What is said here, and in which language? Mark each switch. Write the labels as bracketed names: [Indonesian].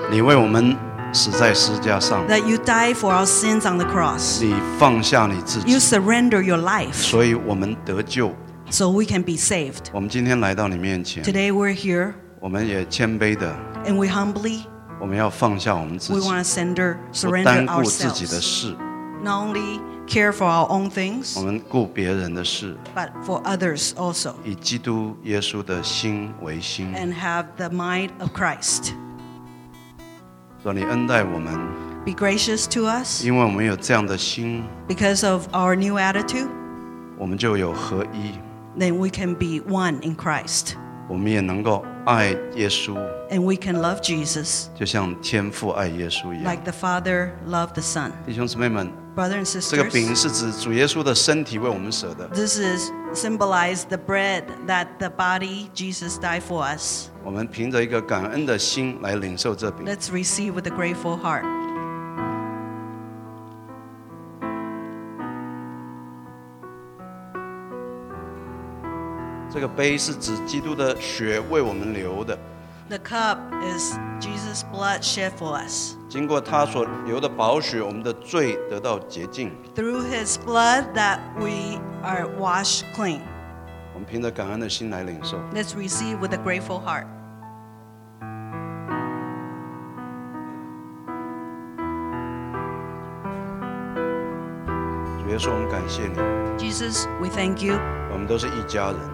[Chinese] 你为我们死在十字架上。 [English] That you died for our sins on the cross. [Chinese] 你放下你自己。 [English] You surrender your life. [Chinese] 所以我们得救。 [English] So we can be saved. [Chinese] 我们今天来到你面前。 [English] Today we're here. [Chinese] 我们也谦卑的。 [English] And we humbly. [Chinese] 我们要放下我们自己。 [English] We want to surrender ourselves. [Chinese] 不单顾自己的事。 [English] Not only care for our own things. [Chinese] 我们顾别人的事。 [English] But for others also. [Chinese] 以基督耶稣的心为心。 [English] And have the mind of Christ. [Chinese] 让你恩待我们。 [English] Be gracious to us. [Chinese] 因为我们有这样的心。 [English] Because of our new attitude. [Chinese] 我们就有合一。 [English] Then we can be one in Christ. [Chinese] 我们也能够爱耶稣。 [English] And we can love Jesus. [Chinese] 就像天父爱耶稣一样。 [English] Like the Father loved the Son. [Chinese] 弟兄姊妹们。 [English] Brothers and sisters, [Chinese] 这个饼是指主耶稣的身体为我们舍的。 [English] This is symbolized the bread that the body Jesus died for us. [Chinese] 我们凭着一个感恩的心来领受这饼。 [English] Let's receive with a grateful heart. [Chinese] 这个杯是指基督的血为我们流的。 [English] The cup is Jesus' blood shed for us. [Chinese] 经过他所流的宝血，我们的罪得到洁净。 [English] Through His blood that we are washed clean. [Chinese] 我们凭着感恩的心来领受。 [English] Let's receive with a grateful heart. [Chinese] 主耶稣，我们感谢你。 [English] Jesus, we thank you. [Chinese] 我们都是一家人。